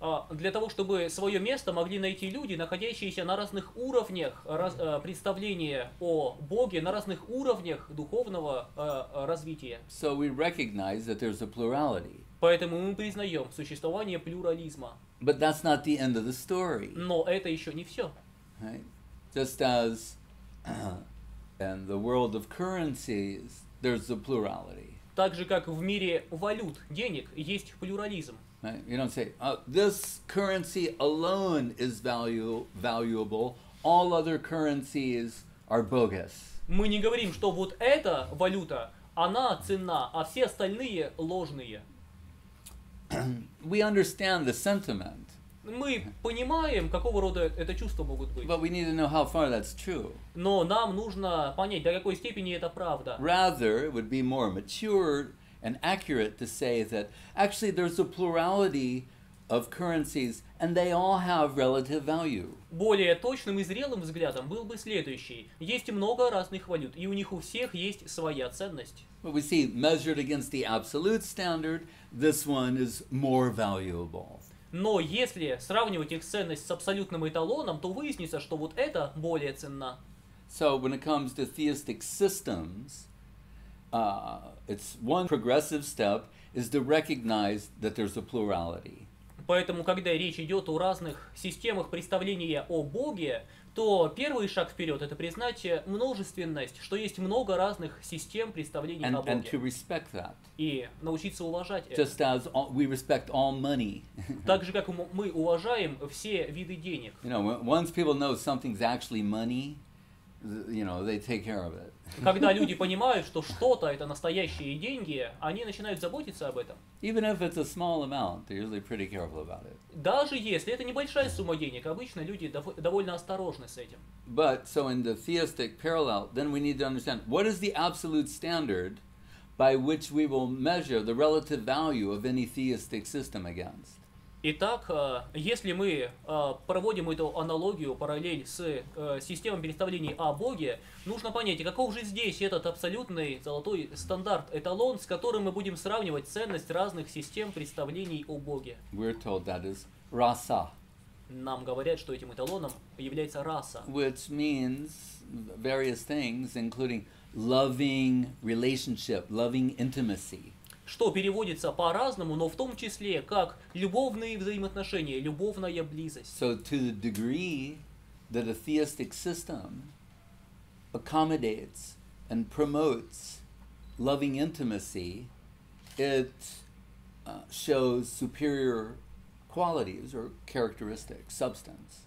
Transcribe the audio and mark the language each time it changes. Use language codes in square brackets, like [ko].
[ru] Для того, чтобы свое место могли найти люди, находящиеся на разных уровнях представления о Боге, на разных уровнях духовного развития. [en] So we recognize that there's a plurality. [ru] Поэтому мы признаем существование плюрализма. [en] But that's not the end of the story. [ru] Но это еще не все. [en] Right? Just as in the world of currencies, there's a plurality. [ru] Так же, как в мире валют, денег, есть плюрализм. [en] Right? You don't say, this currency alone is valuable, all other currencies are bogus. [ru] Мы не говорим, что вот эта валюта, она ценна, а все остальные ложные. [en] We understand the sentiment. [ru] Мы понимаем, какого рода это чувство могут быть. [en] But we need to know how far that's true. [ru] Но нам нужно понять, до какой степени это правда. [en] Rather, it would be more mature and accurate to say that actually there's a plurality of currencies and they all have relative value. [ru] Более точным и зрелым взглядом был бы следующий. Есть много разных валют, и у них у всех есть своя ценность. [en] But we see, measured against the absolute standard, this one is more valuable. [ru] Но если сравнивать их ценность с абсолютным эталоном, то выяснится, что вот это более ценно. [en] So when it comes to theistic systems, it's one progressive step is to recognize that there's a plurality. [ru] Поэтому, когда речь идет о разных системах представления о Боге, то первый шаг вперед — это признать множественность, что есть много разных систем представления о Боге. [en] And to respect that. [ru] И научиться уважать [en] Just [ru] это. [en] As all, we respect all money. [ru] Так же, как мы уважаем все виды денег. [en] You know, once people know something's actually money, you know, they take care of it. [ru] Когда люди понимают, что что-то это настоящие деньги, они начинают заботиться об этом. [en] Even if it's a small amount, they're usually pretty careful about it. [ru] Даже если это небольшая сумма денег, обычно люди довольно осторожны с этим. [en] But so in the theistic parallel, then we need to understand what is the absolute standard by which we will measure the relative value of any theistic system against. [ru] Итак, если мы проводим эту аналогию, параллель с системой представлений о Боге, нужно понять, каков же здесь этот абсолютный золотой стандарт, эталон, с которым мы будем сравнивать ценность разных систем представлений о Боге. [en] We're told that is rasa. [ru] нам говорят, что этим эталоном является раса. [en] Which means various things, including loving relationship, loving intimacy. [ru] Что переводится по-разному, но в том числе как любовные взаимоотношения, любовная близость. [en] So to the degree that a theistic system accommodates and promotes loving intimacy, it shows superior qualities or characteristics, substance.